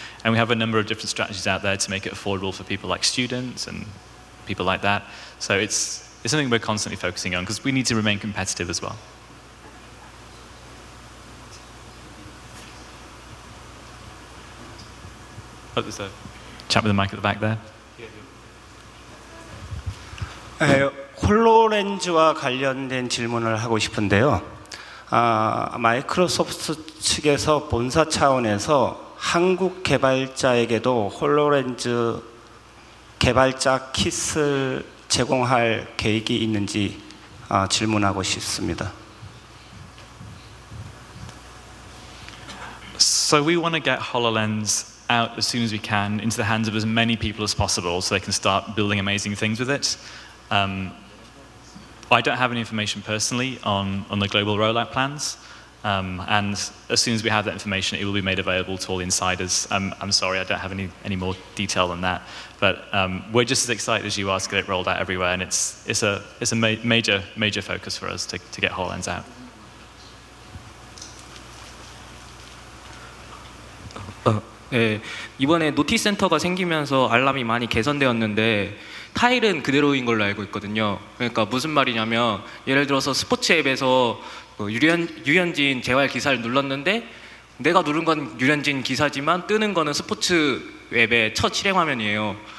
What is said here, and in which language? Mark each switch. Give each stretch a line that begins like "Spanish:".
English: And we have a number of different strategies out there to make it affordable for people like students and people like that. So it's something we're constantly focusing on because we need to remain competitive as well. Oh, there's a chap with the mic at the back there.
Korean: 네, 홀로렌즈와 관련된 질문을 하고 싶은데요. 마이크로소프트 측에서 본사 차원에서 한국 개발자에게도 홀로렌즈 개발자 킷을 제공할 계획이 있는지 질문하고 싶습니다.
English: So we want to get HoloLens out as soon as we can into the hands of as many people as possible so they can start building amazing things with it. I don't have any information personally on the global rollout plans, and as soon as we have that information, it will be made available to all insiders. I'm sorry, I don't have any more detail than that, but we're just as excited as you are to get it rolled out everywhere, and it's a major focus for us to get HoloLens out.
Korean: 네, 이번에 노티 센터가 생기면서 알람이 많이 개선되었는데 타일은 그대로인 걸로 알고 있거든요. 그러니까 무슨 말이냐면 예를 들어서 스포츠 앱에서 유현진 재활 기사를 눌렀는데 내가 누른 건 유현진 기사지만 뜨는 거는 스포츠 앱의 첫 실행 화면이에요.